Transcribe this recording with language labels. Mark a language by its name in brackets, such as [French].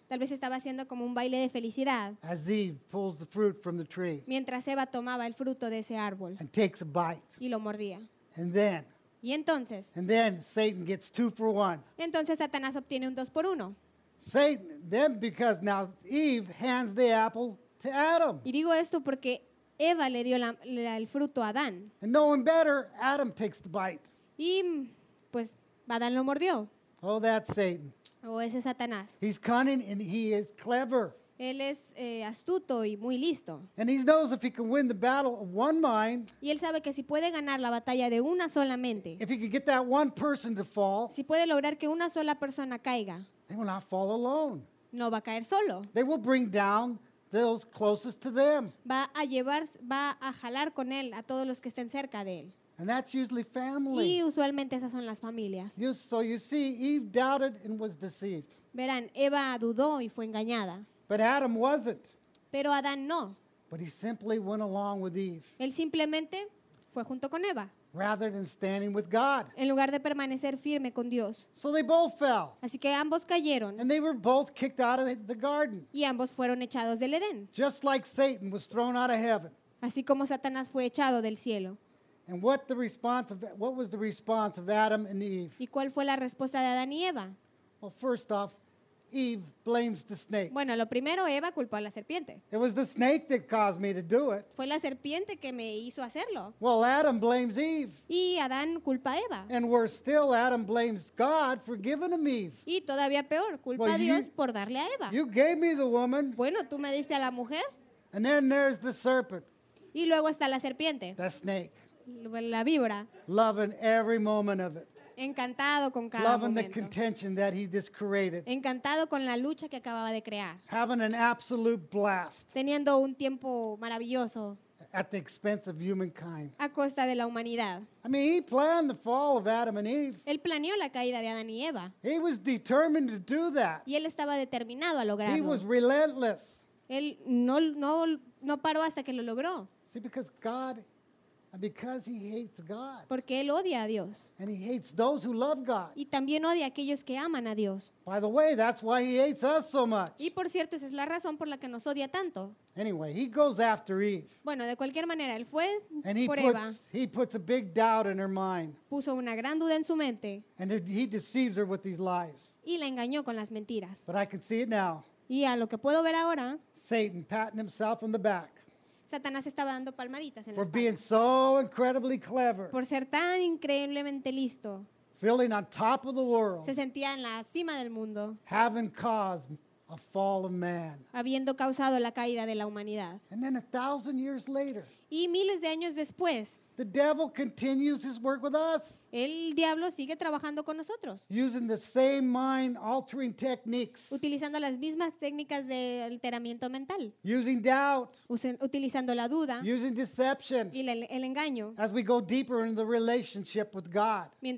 [Spanish] Tal vez estaba haciendo como un baile de felicidad. [English] As Eve pulls the fruit from the tree. [Spanish] Mientras Eva tomaba el fruto de ese árbol. [English] And takes a bite. [Spanish] Y lo mordía. [English] And then. [Spanish] Y entonces. [English] And then Satan gets two for one. [Spanish] Entonces Satanás obtiene un dos por uno. [English] Satan, then because now Eve hands the apple to Adam. [Spanish] Y digo esto porque Eva le dio el fruto a Adán. [English] And knowing better, Adam takes the bite. [Spanish] Y pues Adán lo mordió. [English] Oh, that's Satan. [Spanish] O ese Satanás. [English] He's cunning and he is clever. [Spanish] Él es astuto y muy listo. [English] And he knows if he can win the battle of one mind. [Spanish] Y él sabe que si puede ganar la batalla de una sola mente. [English] If he can get that one person to fall. [Spanish] Si puede lograr que una sola persona caiga. [English] They will not fall alone. [Spanish] No va a caer solo. [English] They will bring down those closest to them. [Spanish] Va a jalar con él a todos los que estén cerca de él. [English] And that's usually family. [Spanish] Y usualmente esas son las familias. [English] So you see, Eve doubted and was deceived. [Spanish] Verán, Eva dudó y fue engañada. [English] But Adam wasn't. [Spanish] Pero Adán no. [English] But he simply went along with Eve. [Spanish] Él simplemente fue junto con Eva. [English] Rather than standing with God. [Spanish] En lugar de permanecer firme con Dios. [English] So they both fell. [Spanish] Así que ambos cayeron. [English] And they were both kicked out of the garden. [Spanish] Y ambos fueron echados del Edén. [English] Just like Satan was thrown out of heaven. [Spanish] Así como Satanás fue echado del cielo. [English] And what was the response of Adam and Eve? [Spanish] ¿Y cuál fue la respuesta de Adán y Eva? [English] Well, first off, Eve blames the snake. [Spanish] Bueno, lo primero, Eva culpó a la serpiente. [English] It was the snake that caused me to do it. [Spanish] Fue la serpiente que me hizo hacerlo. [English] Well, Adam blames Eve. [Spanish] Y Adán culpa a Eva. [English] And worse still, Adam blames God for giving him Eve. [Spanish] Y todavía peor, culpa a Dios por darle a Eva. [English] You gave me the woman. [Spanish] Bueno, tú me diste a la mujer. [English] And then there's the serpent. [Spanish] Y luego está la serpiente. [English] The snake. [Spanish] La víbora. [English] Loving every moment of it. [Spanish] Encantado con cada [English] loving [Spanish] momento. [English] The contention that he just created. [Spanish] Encantado con la lucha que acababa de crear. [English] Having an absolute blast. [Spanish] Teniendo un tiempo maravilloso. [English] At the expense of humankind. [Spanish] A costa de la humanidad. [English] I mean, he planned the fall of Adam and Eve. [Spanish] Él planeó la caída de Adán y Eva. [English] He was determined to do that. [Spanish] Y él estaba determinado a lograrlo. [English] He was relentless. [Spanish] Él no paró hasta que lo logró. [English] See, because God. And because he hates God. [Spanish] Porque él odia a Dios. [English] And he hates those who love God. [Spanish] Y también odia a aquellos que aman a Dios. [English] By the way, that's why he hates us so much. [Spanish] Y por cierto, esa es la razón por la que nos odia tanto. [English] Anyway, he goes after Eve. [Spanish] Bueno, de cualquier manera, él fue [English] and he [Spanish] por [English] puts, [Spanish] Eva. [English] He puts a big doubt in her mind. [Spanish] Puso una gran duda en su mente. [English] And he deceives her with these lies. [Spanish] Y la engañó con las mentiras. [English] But I can see it now. [Spanish] Y a lo que puedo ver ahora. [English] Satan patting himself on the back. [Spanish] Satanás estaba dando palmaditas en [English] for [Spanish] la [English] being so incredibly clever. [Spanish] Por ser tan increíblemente listo. [English] Feeling on top of the world. [Spanish] Se sentía en la cima del mundo. [English] Having caused a fall of man. [Spanish] Habiendo causado la caída de la humanidad. [English] And then 1,000 years later. [Spanish] Y miles de años después. [English] The devil continues his work with us. [Spanish] El diablo sigue trabajando con nosotros. [English] Using the same mind-altering techniques. [Spanish] Utilizando las mismas técnicas de alteramiento mental. [English] Using doubt. [Spanish] Utilizando la duda. [English] Using deception. [Spanish] Y el engaño. [English] As we go deeper in the relationship with God.